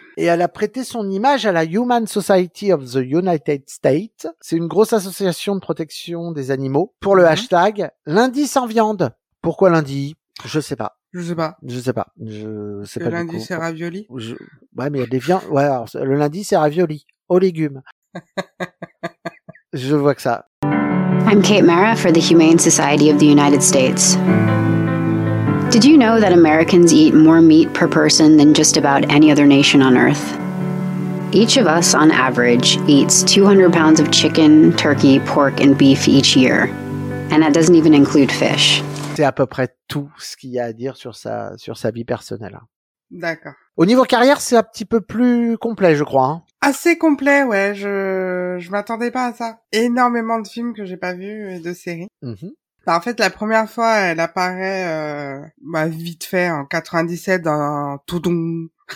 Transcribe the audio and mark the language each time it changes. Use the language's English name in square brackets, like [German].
[French] Et elle a prêté son image à la Human Society of the United States. C'est une grosse association de protection des animaux pour le hashtag lundi sans viande. Pourquoi lundi? Je sais pas. Je sais pas. Je sais pas. Je sais pas. Le lundi, c'est ravioli. Ouais, mais il y a des viandes. Ouais, alors, le lundi, c'est ravioli. Aux légumes. Je vois que ça. [English] I'm Kate Mara for the Humane Society of the United States. Did you know that Americans eat more meat per person than just about any other nation on Earth? Each of us, on average, eats 200 pounds of chicken, turkey, pork, and beef each year. And that doesn't even include fish. [French] C'est à peu près tout ce qu'il y a à dire sur sa vie personnelle. D'accord. Au niveau carrière, c'est un petit peu plus complet, je crois. Assez complet, ouais. Je m'attendais pas à ça. Énormément de films que j'ai pas vus et de séries. Mm-hmm. Bah, en fait, la première fois, elle apparaît vite fait en 97 dans Toudoum.